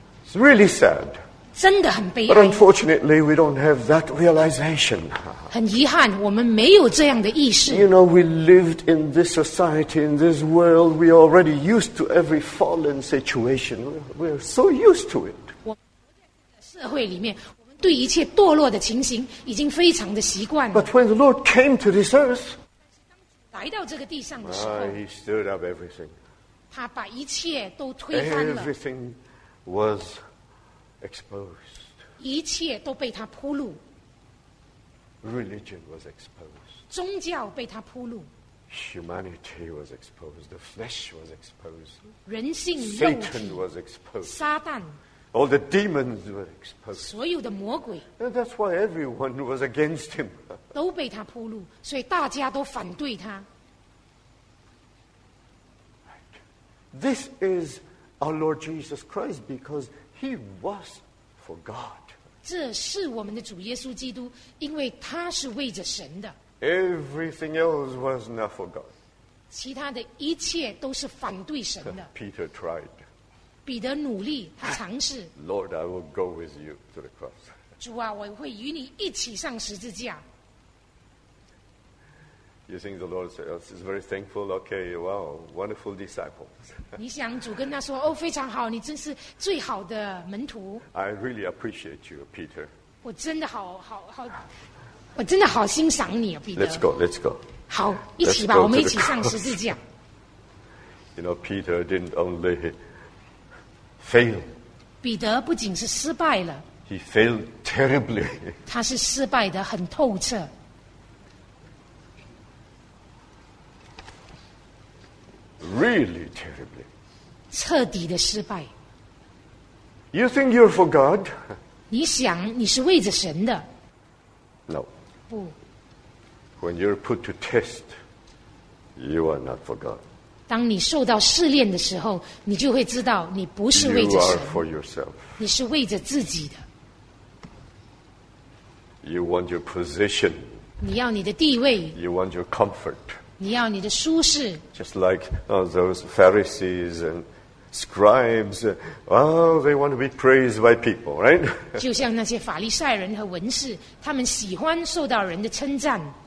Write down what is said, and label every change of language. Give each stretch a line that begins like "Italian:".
English: It's really sad.
Chinese: 真的很悲哀。
English: But unfortunately, we don't have that realization.
Chinese: 很遗憾，我们没有这样的意识。
English: You know, we lived in this society, in this world. We are already used to every fallen situation. We are so used to it.
Chinese: 我们在这个社会里面，我们对一切堕落的情形已经非常的习惯了。
English: But when the Lord came to this earth,
Chinese: 来到这个地上的时候，
English: He stirred up everything.
Chinese: 他把一切都推翻了。
English: Everything was. Exposed.
Chinese: 一切都被他铺路。
English: Religion was exposed.
Chinese: 宗教被他铺路。
English: Humanity was exposed. The flesh was exposed.
Chinese: 人性肉体。
English: Satan was exposed.
Chinese: 撒旦。
English: All the demons were exposed.
Chinese: 所有的魔鬼。
English: And that's why everyone was against him.
Chinese: 都被他铺路，所以大家都反对他。
English: This is our Lord Jesus Christ because. He was for God.
Chinese: 这是我们的主耶稣基督，因为他是为着神的。
English: Everything else was not for God.
Chinese: 其他的一切都是反对神的。
English: Peter tried.
Chinese: 彼得努力，他尝试。
English: Lord, I will go with you to the cross.
Chinese: 主啊，我会与你一起上十字架。
English: You think the Lord is very thankful? Okay, wow, wonderful disciple.
Chinese: 你想主跟他说，哦，非常好，你真是最好的门徒。
English: I really appreciate you, Peter.
Chinese: 我真的好，我真的好欣赏你啊，彼得。
English: Let's go.
Chinese: 好，一起吧，我们一起上十字架。
English: You know, Peter didn't only fail.
Chinese: 彼得不仅是失败了。
English: He failed terribly.
Chinese: 他是失败的很透彻。
English: Really terribly.
Chinese: 彻底的失败。
English: You think you're for God?
Chinese: 你想你是为着神的。
English: No.
Chinese: 不。
English: When you're put to test, you are not for God.
Chinese: 当你受到试炼的时候，你就会知道你不是为着神。
English: You are for yourself.
Chinese: 你是为着自己的。
English: You want your position.
Chinese: 你要你的地位。
English: You want your comfort.
Chinese: 你要你的舒适。
English: Just like those Pharisees and scribes, well, they want to be praised by people, right?
Chinese: 就像那些法利赛人和文士，他们喜欢受到人的称赞。